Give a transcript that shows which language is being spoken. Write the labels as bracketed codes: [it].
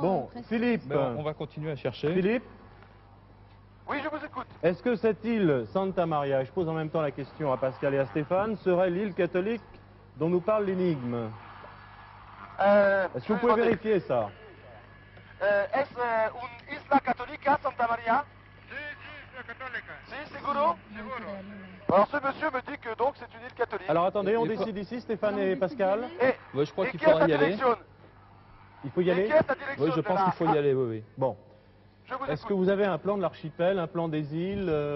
[fr] Bon, Philippe. Bah, on va continuer à chercher. Philippe. Oui, je vous écoute. Est-ce que cette île Santa Maria, et je pose en même temps la question à Pascal et à Stéphane, serait l'île catholique dont nous parle l'énigme? Est-ce que vous pouvez vérifier ça? [es] Es una isla católica, Santa María. Sí, isla católica. Sí, seguro. Seguro. [fr] Alors ce monsieur me dit que donc c'est une île catholique. Alors attendez, on décide ici, Stéphane et Pascal. Oui, je crois qu'il faudra y aller. Il faut y aller. Oui, je pense qu'il faut y aller. Oui, oui. Bon. Est-ce que vous avez un plan de l'archipel, un plan des îles